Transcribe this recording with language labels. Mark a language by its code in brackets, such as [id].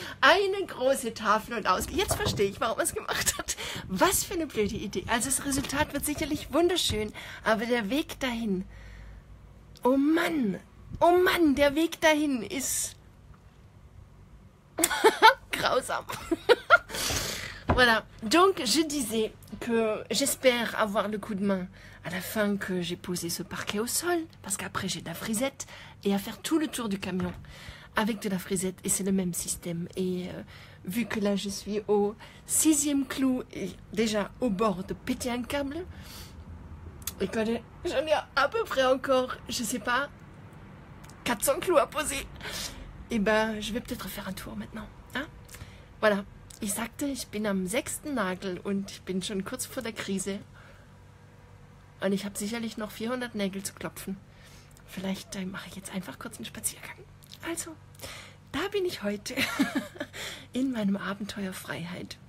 [de] Eine große Tafel und aus. Jetzt verstehe ich, warum er es gemacht hat. Was für eine blöde Idee. Also das Resultat wird sicherlich wunderschön, aber der Weg dahin. Oh Mann! Oh Mann, der Weg dahin ist grausam. [fr] Voilà. Donc, je disais que j'espère avoir le coup de main à la fin que j'ai posé ce parquet au sol, parce qu'après j'ai de la frisette, et à faire tout le tour du camion avec de la frisette, et c'est le même système. Et vu que là je suis au sixième clou, et déjà au bord de péter un câble, et quand j'en ai à peu près encore, je sais pas, 400 clous à poser. Et ben, je vais peut-être faire un tour maintenant. Hein? Voilà. [de] Ich sagte, ich bin am sechsten Nagel und ich bin schon kurz vor der Krise. Und ich habe sicherlich noch 400 Nägel zu klopfen. Vielleicht mache ich jetzt einfach kurz einen Spaziergang. Also, da bin ich heute in meinem Abenteuer Freiheit.